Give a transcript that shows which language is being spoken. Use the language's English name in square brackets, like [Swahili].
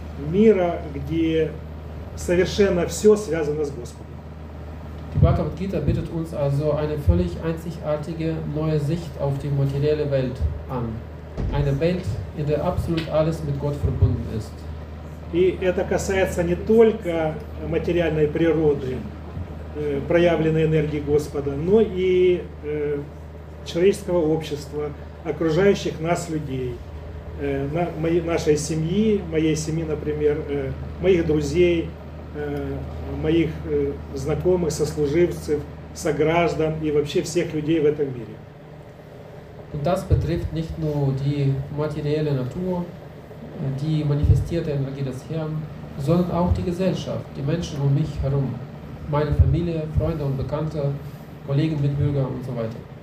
[Russian] Мира, где совершенно все связано с Господом. [German] Die Bhagavad-gita bietet uns also eine völlig einzigartige neue Sicht auf die materielle Welt an. Eine Welt, in der absolut alles mit Gott verbunden ist. [Russian] И это касается не только материальной природы, проявленной энергии Господа, но и человеческого общества, окружающих нас людей, нашей семьи, моей семьи, например, моих друзей, моих знакомых, сослуживцев, сограждан и вообще всех людей в этом мире. [German] Und das betrifft nicht nur die materielle Natur, die manifestierte Energie des Herrn, sondern auch die Gesellschaft, die Menschen um mich herum, meine Familie, Freunde und Bekannte, Kollegen, Mitbürger und so weiter.